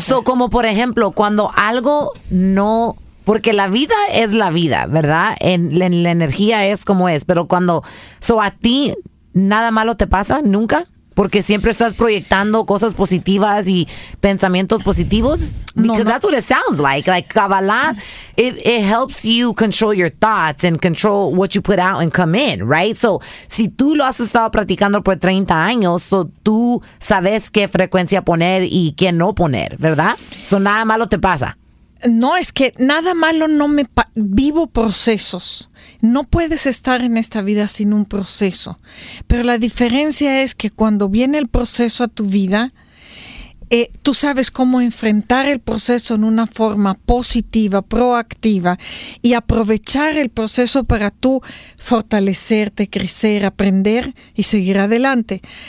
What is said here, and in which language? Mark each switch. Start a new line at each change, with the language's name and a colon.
Spanish: So, como por ejemplo, cuando algo no... Porque la vida es la vida, ¿verdad? La energía es como es. Pero cuando... So, ¿a ti nada malo te pasa? ¿Nunca? Porque siempre estás proyectando cosas positivas y pensamientos positivos.
English: Because
Spanish: no, no.
English: That's what it sounds like. Like Kabbalah, it helps you control your thoughts and control what you put out and come in, right?
Spanish: So, si tú lo has estado practicando por 30 años, so tú sabes qué frecuencia poner y qué no poner, ¿verdad? So, nada malo te pasa. No, es que nada malo no me vivo procesos. No puedes estar en esta vida sin un proceso. Pero la diferencia es que cuando viene el proceso a tu vida, tú sabes cómo enfrentar el proceso en una forma positiva, proactiva, y aprovechar el proceso para tú fortalecerte, crecer, aprender y seguir adelante.